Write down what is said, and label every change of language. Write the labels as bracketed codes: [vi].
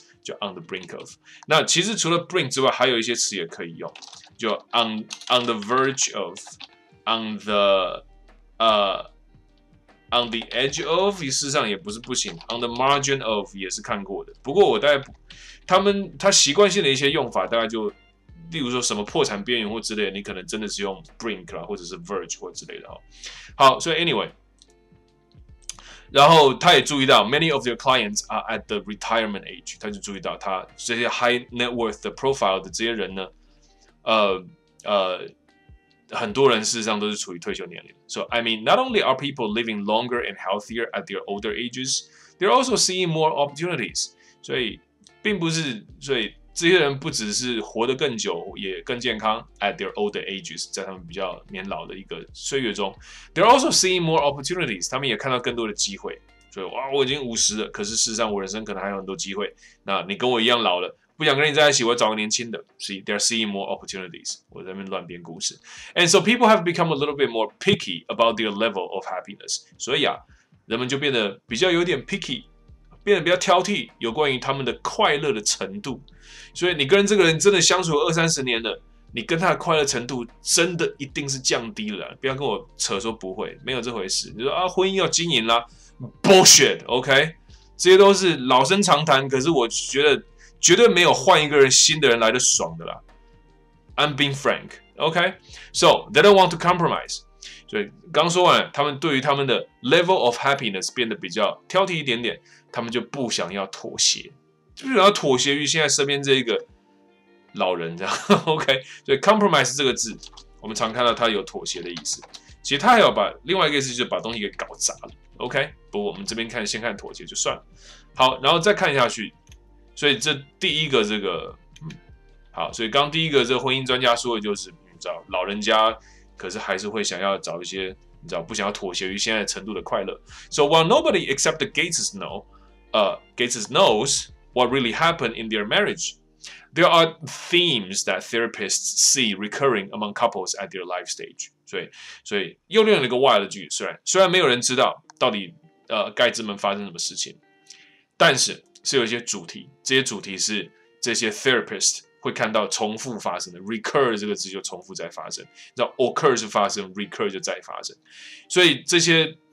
[zh] 就 on the brink of， 那其实除了 brink 之外，还有一些词也可以用，就 [en] on the verge of， on the edge of， [zh] 事实上也不是不行， [en] on the margin of [zh] 也是看过的。不过我大概他习惯性的一些用法，大概就例如说什么破产边缘或之类的，你可能真的是用 brink 啦，或者是 verge 或之类的。好，所以 anyway。然后他也注意到 [en] ，many of their clients are at the retirement age。 [zh] 他就注意到他这些 high net worth 的 profile 的这些人呢，很多人事实上都是处于退休年龄。 [en] So I mean, not only are people living longer and healthier at their older ages, they're also seeing more opportunities。 [zh] 所以，并不是，所以这些人不只是活得更久，也更健康 [en] at their older ages， [zh] 在他们比较年老的一个岁月中 ， [en] they're also seeing more opportunities， [zh] 他们也看到更多的机会。所以哇，我已经五十了，可是事实上我人生可能还有很多机会。那你跟我一样老了，不想跟你在一起，我要找个年轻的。 [en] See， they're seeing more opportunities。 [zh] 我在那边乱编故事。 [en] And so people have become a little bit more picky about their level of happiness。 [zh] 所以啊，人们就变得比较有点 picky， 变得比较挑剔，有关于他们的快乐的程度。所以你跟这个人真的相处二三十年了，你跟他的快乐程度真的一定是降低了。不要跟我扯说不会，没有这回事。你说啊，婚姻要经营啦 ，bullshit， OK， 这些都是老生常谈。可是我觉得绝对没有换一个人新的人来的爽的啦。 [en] I'm being frank， OK， so they don't want to compromise。 [zh] 所以刚说完，他们对于他们的 [en] level of happiness [zh] 变得比较挑剔一点点，他们就不想要妥协。就是要妥协于现在身边这一个老人这样 ，OK？所以 compromise 这个字，我们常看到它有妥协的意思。其实它还有把另外一个意思，就是把东西给搞砸了 ，OK？不过我们这边看，先看妥协就算了。好，然后再看下去。所以这第一个这个，好，所以刚第一个这个婚姻专家说的就是，你知道老人家可是还是会想要找一些，你知道不想要妥协于现在程度的快乐。 [en] So while nobody except the Gateses know, Gateses knows。 What really happened in their marriage? There are themes that therapists see recurring among couples at their life stage. [zh] 所以又练了一个 why 的句子。虽然没有人知道到底盖茨们发生什么事情，但是是有一些主题。这些主题是这些 therapist 会看到重复发生的。 Recur 这个字就重复再发生。那 occur 是发生 ，recur 就再发生。所以这些。